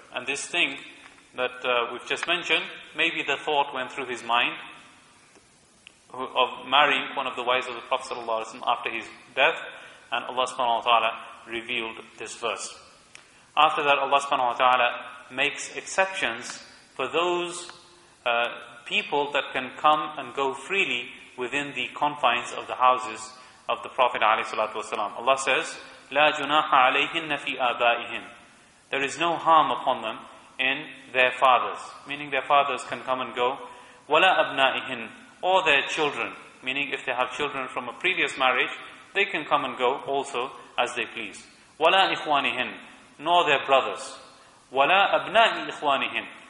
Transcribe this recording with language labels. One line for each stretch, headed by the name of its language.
English: And this thing that we've just mentioned, maybe the thought went through his mind of marrying one of the wives of the Prophet sallallahu alaihi wasallam after his death, and Allah subhanahu wa ta'ala revealed this verse. After that, Allah subhanahu wa ta'ala makes exceptions for those people that can come and go freely within the confines of the houses of the Prophet alayhi salatu wasalam. Allah says,
Arabic: لَا جُنَاحَ عَلَيْهِنَّ فِي آبَائِهِمْ.
English: There is no harm upon them in their fathers, meaning their fathers can come and go.
Arabic: وَلَا أَبْنَائِهِنْ.
English: Or their children, meaning if they have children from a previous marriage, they can come and go also as they please.
Arabic: وَلَا إِخْوَانِهِنْ.
English: Nor their brothers.
Arabic: وَلَا أَبْنَاءِ إِخْوَانِهِمْ.